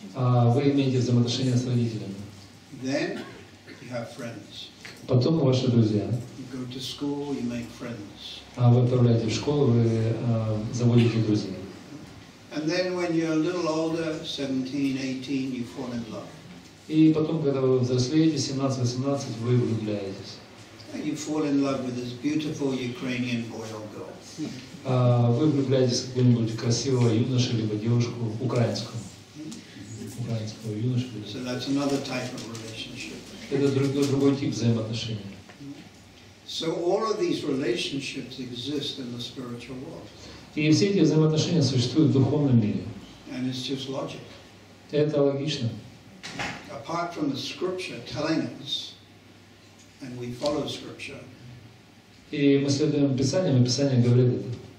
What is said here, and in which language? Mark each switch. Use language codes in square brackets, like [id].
[ru] Вы имеете взаимоотношения с родителями. [en] Then you have friends. [ru] Потом ваши друзья. [en] You go to school, you make friends. [ru] Вы отправляетесь в школу, вы заводите друзей. [en] And then when you're a little older, 17, 18, you fall in love. [ru] И потом, когда вы взрослеете, 17-18, вы влюбляетесь. [en] You fall in love with this beautiful Ukrainian boy or girl. [ru] Вы влюбляетесь в какого-нибудь красивого юношу либо девушку украинскую. Украинского юношу. [en] So that's another type of relationship. [ru] Это другой тип взаимоотношений. [en] So all of these relationships exist in the spiritual world. [ru] И все эти взаимоотношения существуют в духовном мире. [en] And it's just logic. [ru] Это логично. [en] Apart from the scripture telling us, and we follow scripture. [ru] И мы следуем Писанию, и Писание говорит это.